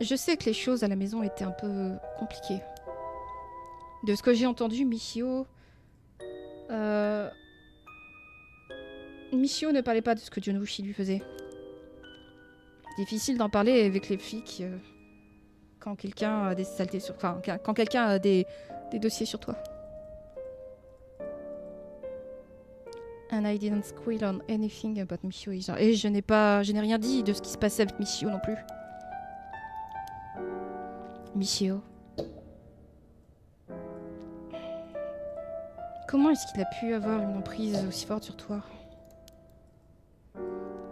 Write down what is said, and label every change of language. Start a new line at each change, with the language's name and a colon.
French: Je sais que les choses à la maison étaient un peu compliquées. De ce que j'ai entendu, Michio ne parlait pas de ce que Junouchi lui faisait. Difficile d'en parler avec les flics quand quelqu'un a des saletés sur... Enfin, quand quelqu'un a des dossiers sur toi.
English: And I didn't squeal on anything about Michio.
French: Et je n'ai rien dit de ce qui se passait avec Michio non plus. Michio. Comment est-ce qu'il a pu avoir une emprise aussi forte sur toi ?